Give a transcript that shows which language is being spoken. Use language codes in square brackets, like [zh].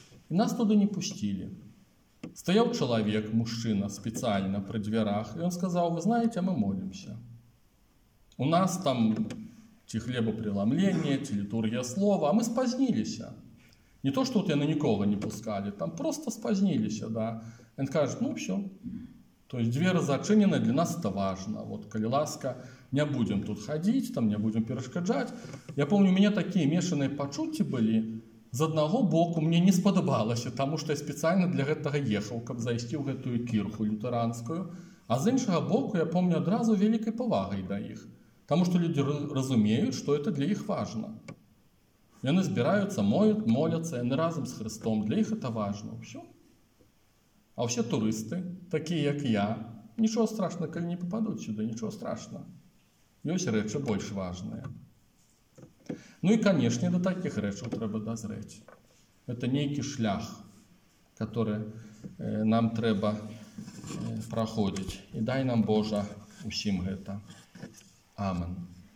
[be] І нас туды не пусцілі. Стаяў чалавек, мужчына, спецыяльна пры дзвярах, і ён сказаў: «Вы знаеце, мы молімся. У нас там ці хлебапреламленне, ці літургія слова, а мы спазніліся. Не то, што от яны нікога не пускалі, там проста спазніліся, да». Ён кажа: «Ну, ўсё. То есть дзверы зачынены, для нас это важна. Вот, калі ласка, не будзем тут хадзіць, там не будзем перашкаджаць». Я помню, у мяне такія мешаныя пачуцці былі. З аднаго боку мне не спадабалася, таму што я спецыяльна для гэтага ехаў, каб зайсці ў гэтую кірху лютэранскую. А з іншага боку, я помню, адразу вялікай павагай да іх. Таму што людзі разумеюць, што это для іх важна. Яны збіраюцца, моюць, моляцца, яны разам з Хрыстом. Для іх это важна. Ўсё. А ўсе турысты, такія як я, нічого страшна, калі не пападуць сюды, нічого страшна. Ёсць рэчы больш важныя. [uk] Ну і, звісно, до таких речей треба дозріти. Це некий шлях, який нам треба проходити. І дай нам, Боже, усім це. Амінь.